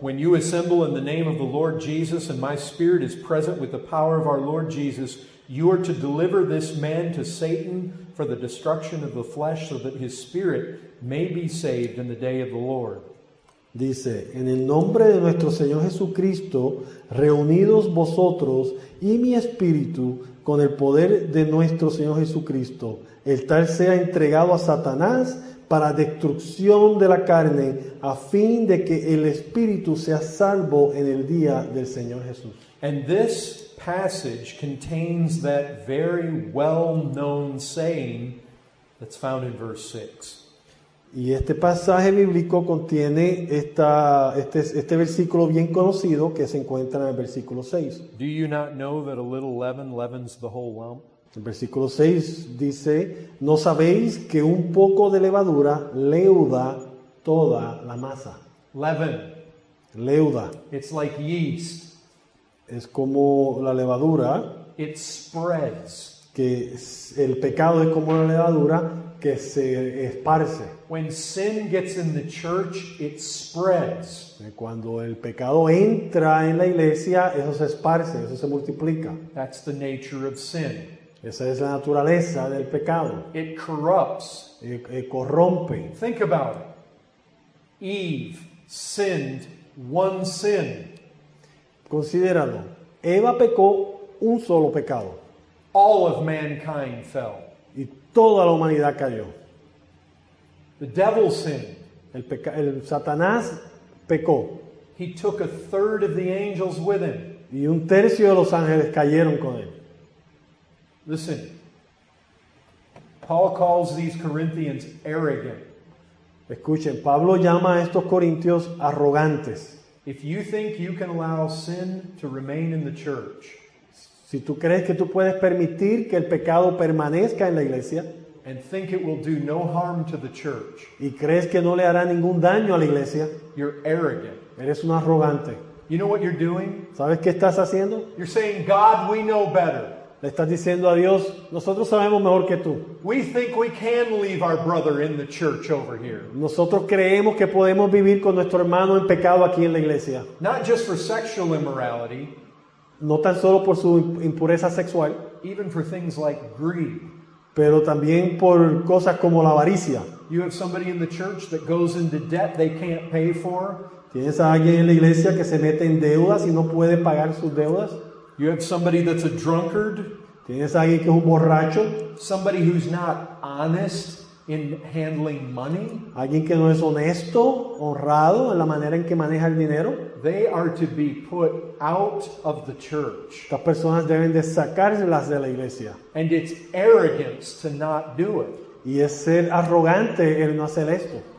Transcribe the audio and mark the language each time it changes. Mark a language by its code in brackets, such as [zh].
[en] When you assemble in the name of the Lord Jesus and my spirit is present with the power of our Lord Jesus, you are to deliver this man to Satan for the destruction of the flesh so that his spirit may be saved in the day of the Lord. [es] Dice, en el nombre de nuestro Señor Jesucristo, reunidos vosotros y mi espíritu con el poder de nuestro Señor Jesucristo, el tal sea entregado a Satanás para destrucción de la carne, a fin de que el espíritu sea salvo en el día del Señor Jesús. [en] And this passage contains that very well-known saying, That's found in verse 6. [es] Y este pasaje bíblico contiene este versículo bien conocido que se encuentra en el versículo 6. [en] Do you not know that a little leaven leavens the whole lump? [es] El versículo 6 dice, ¿no sabéis que un poco de levadura leuda toda la masa? [en] Leaven. [es] Leuda. [en] It's like yeast. [es] Es como la levadura. [en] It spreads. [es] Que el pecado es como la levadura que se esparce. [en] When sin gets in the church, it spreads. [es] Cuando el pecado entra en la iglesia, eso se esparce, eso se multiplica. [en] That's the nature of sin. [es] Esa es la naturaleza del pecado. [en] It corrupts. [es] Y corrompe. [en] Think about it. Eve sinned one sin. [es] Considéralo. Eva pecó un solo pecado. [en] All of mankind fell. [es] Y toda la humanidad cayó. [en] The devil sinned. [es] El Satanás pecó. [en] He took a third of the angels with him. [es] Y un tercio de los ángeles cayeron con él. [en] Listen. Paul calls these Corinthians arrogant. [es] Escuchen, Pablo llama a estos corintios arrogantes. [en] If you think you can allow sin to remain in the church, [es] si tú crees que tú puedes permitir que el pecado permanezca en la iglesia, [en] and think it will do no harm to the church, [es] y crees que no le hará ningún daño a la iglesia, [en] you're arrogant. [es] Eres un arrogante. [en] You know what you're doing? [es] ¿Sabes qué estás haciendo? [en] You're saying, God, we know better. [es] Le estás diciendo a Dios, nosotros sabemos mejor que tú. [en] We think we can leave our brother in the church over here. [es] Nosotros creemos que podemos vivir con nuestro hermano en pecado aquí en la iglesia. [en] Not just for sexual immorality. [es] No tan solo por su impureza sexual. [en] Even for things like greed. [es] Pero también por cosas como la avaricia. [en] You have somebody in the church that goes into debt they can't pay for. [es] Tienes a alguien en la iglesia que se mete en deudas y no puede pagar sus deudas. [en] You have somebody that's a drunkard. [es] ¿Tienes a alguien que es un borracho? [en] Somebody who's not honest in handling money. [es] ¿Alguien que no es honesto, honrado en la manera en que maneja el dinero? [en] They are to be put out of the church. [es] Estas personas deben de sacárselas de la iglesia. [en] And it's arrogance to not do it. [es] Y es ser arrogante el no hacer esto.